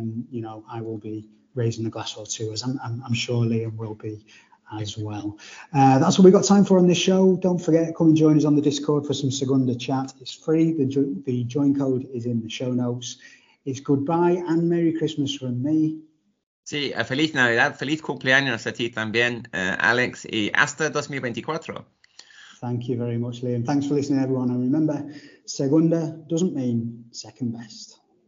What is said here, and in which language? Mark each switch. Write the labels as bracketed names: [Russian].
[English] You know, I will be raising a glass or two, as I'm sure Liam will be as well. That's what we've got time for on this show. Don't forget, come and join us on the Discord for some Segunda chat. It's free. The join code is in the show notes. It's goodbye and Merry Christmas from me. [Spanish] Sí, feliz Navidad, feliz cumpleaños a ti también, Alex, y hasta 2024. [English] Thank you very much, Liam. Thanks for listening, everyone. And remember, Segunda doesn't mean second best.